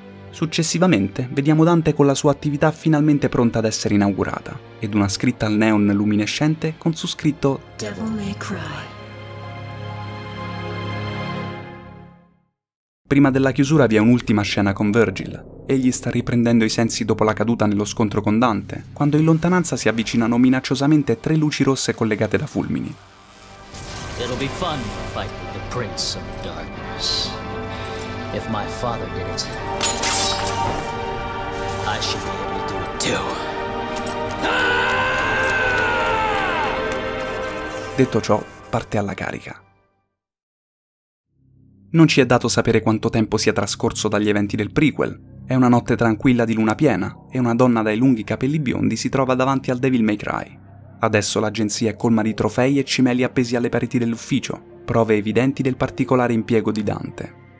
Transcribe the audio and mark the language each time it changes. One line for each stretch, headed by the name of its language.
Italian: Successivamente, vediamo Dante con la sua attività finalmente pronta ad essere inaugurata, ed una scritta al neon luminescente con su scritto Devil May Cry. Prima della chiusura vi è un'ultima scena con Virgil. Egli sta riprendendo i sensi dopo la caduta nello scontro con Dante, quando in lontananza si avvicinano minacciosamente tre luci rosse collegate da fulmini.
English: It'll be fun to fight with the Prince of Darkness. If my father did it, I should be able to do it too.
Italian: Detto ciò, parte alla carica. Non ci è dato sapere quanto tempo sia trascorso dagli eventi del prequel. È una notte tranquilla di luna piena e una donna dai lunghi capelli biondi si trova davanti al Devil May Cry. Adesso l'agenzia è colma di trofei e cimeli appesi alle pareti dell'ufficio, prove evidenti del particolare impiego di Dante.